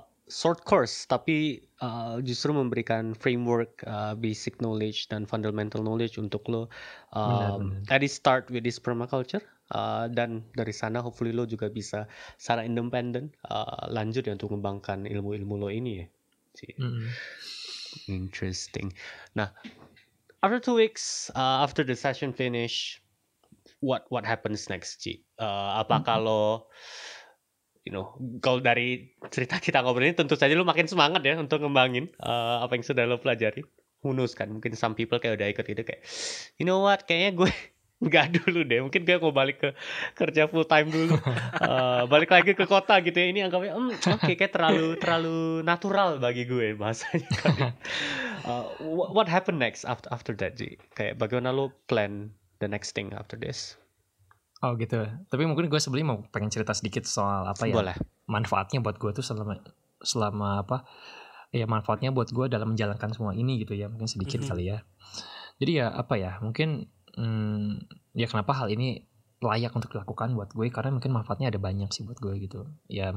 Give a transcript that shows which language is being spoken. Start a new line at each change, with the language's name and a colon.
Indonesian: Short course tapi justru memberikan
English: framework basic knowledge dan fundamental knowledge
Indonesian: untuk lu
English: at least start with this permaculture.
Indonesian: Dan dari sana hopefully lo juga bisa secara independen lanjut ya untuk mengembangkan ilmu-ilmu lo ini ya.
English: Interesting. Nah, after 2 weeks, after the session finish, what happens next, Ci?
Indonesian: Apakah lo,
English: you know,
Indonesian: kalau dari cerita kita ngobrol ini, tentu saja lo makin semangat ya untuk ngembangin apa yang sudah lo pelajari.
English: Who knows
Indonesian: kan? Mungkin
English: some people
Indonesian: kayak udah ikut itu kayak,
English: you know what?
Indonesian: Kayaknya gue nggak dulu deh, mungkin gue mau balik ke kerja full time dulu, balik lagi ke kota gitu ya. Ini anggapnya oke, kayak terlalu natural bagi gue bahasanya.
English: What happened next after that, Ji?
Indonesian: Kayak bagaimana lo
English: plan the next thing after this?
Indonesian: Oh gitu, tapi mungkin gue sebelumnya mau pengen cerita sedikit soal apa ya, boleh, manfaatnya buat gue tuh selama apa ya, manfaatnya buat gue dalam menjalankan semua ini gitu ya, mungkin sedikit kali ya. Jadi ya apa ya, mungkin ya kenapa hal ini layak untuk dilakukan buat gue, karena mungkin manfaatnya ada banyak sih buat gue gitu ya.